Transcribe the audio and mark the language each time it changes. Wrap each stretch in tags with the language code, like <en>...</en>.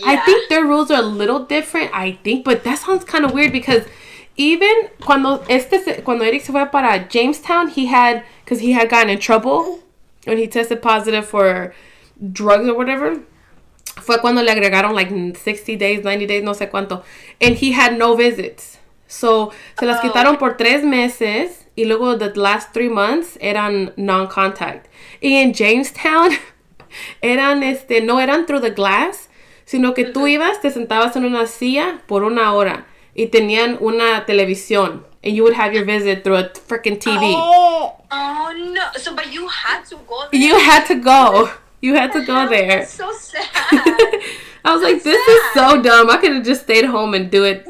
<en>I think their rules are a little different, I think, but that sounds kind of weird because even</en> <es>cuando Eric se fue para Jamestown,</es> <en>he had gotten in trouble. When he tested positive for drugs or whatever.</en> <es>Fue cuando le agregaron</es> <en>like 60 days, 90 days,</en> <es>no sé cuánto.</es> <en>And he had no visits. So,</en> <es>se las quitaron por 3 meses. Y luego</es> <en>the last 3 months</en> <es>eran</es> <en>non-contact.</en> <es>Y en Jamestown, no eran</es> <en>through the glass.</en> <es>Sino que tú ibas, te sentabas en una silla por una hora. Y tenían una televisión.</es> <en>And you would have your visit through a freaking TV. Oh, no. So, but you had to go there. You had to go there. That's so sad. This is so dumb. I could have just stayed home and do it.</en>